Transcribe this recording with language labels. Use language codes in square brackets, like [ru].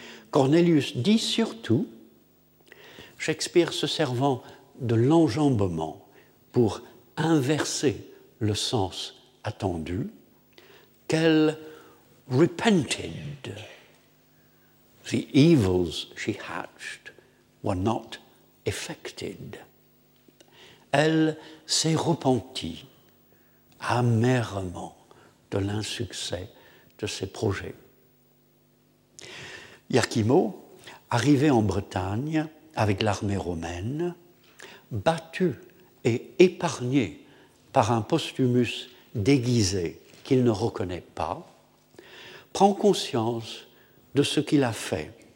[fr] Cornelius dit surtout, Shakespeare se servant de l'enjambement pour inverser le sens attendu, qu'elle repented. [en] The evils she hatched were not effected. [fr] Elle s'est repentie amèrement de l'insuccès de ses projets. Iachimo, arrivé en Bretagne, avec l'armée romaine, battu et épargné par un Postumus déguisé qu'il ne reconnaît pas, prend conscience de ce qu'il a fait.